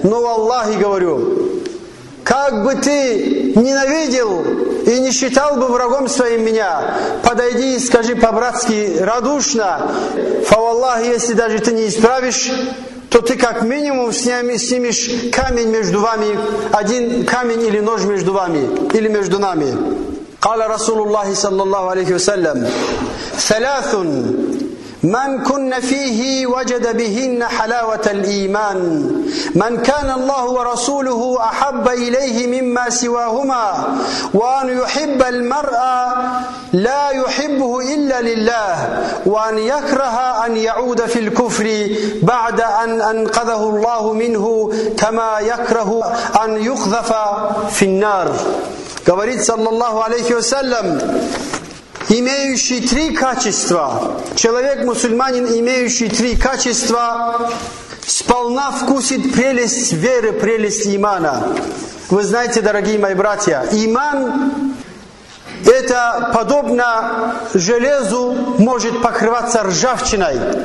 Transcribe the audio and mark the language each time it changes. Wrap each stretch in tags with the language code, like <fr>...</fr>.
<ru>Но в Аллахе говорю, как бы ты ненавидел и не считал бы врагом своим меня, подойди и скажи по-братски радушно. Фа в Аллахе, если даже ты не исправишь, то ты как минимум снимешь камень между вами, один камень или нож между вами, или между нами.</ru> <ar>قال رسول الله صلى الله عليه وسلم ثلاث من كن فيه وجد بهن حلاوة الإيمان من كان الله ورسوله أحب إليه مما سواهما وأن يحب المرأة لا يحبه إلا لله وأن يكره أن يعود في الكفر بعد أن أنقذه الله منه كما يكره أن يقذف في النار.</ar> <ru>Говорит, саллаллаху алейхи вассалям, имеющий три качества, человек-мусульманин, имеющий три качества, сполна вкусит прелесть веры, прелесть имана. Вы знаете, дорогие мои братья, иман – это подобно железу, может покрываться ржавчиной.</ru>